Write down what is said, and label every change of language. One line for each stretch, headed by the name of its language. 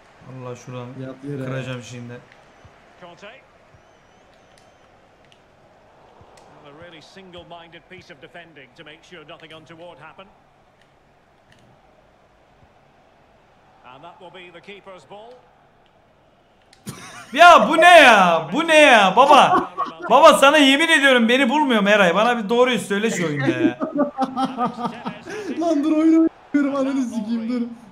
Turkish: Allah şuradan kıracağım şimdi.
English: A really single-minded piece of defending to make sure nothing untoward happened. And that will be the keeper's ball.
Turkish: Ya bu ne ya? Bu ne ya? Baba. Baba sana yemin ediyorum beni bulmuyor Meray. Bana bir doğruyu söyle şu oyunda ya. Lan dur oynamıyorum ananı sikeyim dur.